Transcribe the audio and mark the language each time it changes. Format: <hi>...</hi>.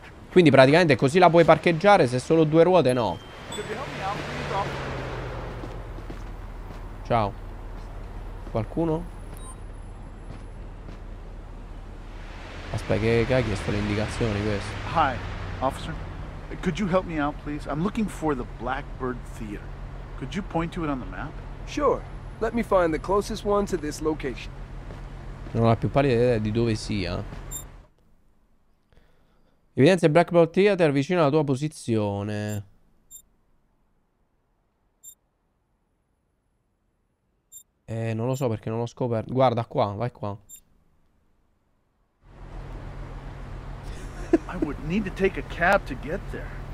<it>Quindi praticamente così la puoi parcheggiare. Se solo due ruote, no. Ciao. Qualcuno? Aspetta, che hai chiesto le indicazioni questo?</it> <en>Hi, officer. Could you help me out, please? I'm looking for the Blackbird Theater. Could you point to it on the map? Sure. Let me find the closest one to this location.</en> <it>Non ho la più pallida idea di dove sia. Evidenza Blackbird Theater vicino alla tua posizione. Non lo so perché non l'ho scoperto. Guarda qua, vai qua.</it> <en>I would need to take a cab to get there.</en>